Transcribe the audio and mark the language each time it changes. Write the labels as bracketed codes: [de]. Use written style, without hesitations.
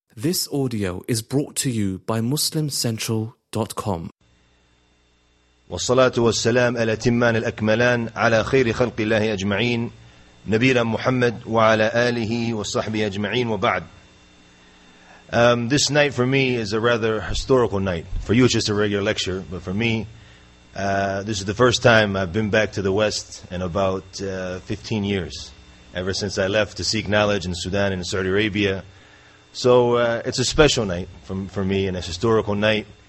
[en] This audio is brought to you by MuslimCentral.com. [ar] والصلاة والسلام الأتمان الأكملان على خير خلق الله أجمعين نبينا محمد وعلى آله وصحبه أجمعين وبعد. [en] This night for me is a rather historical night. For you, it's just a regular lecture, but for me, this is the first time I've been back to the West in about 15 years. Ever since I left to seek knowledge in Sudan and Saudi Arabia. So it's a special night for me and a historical night.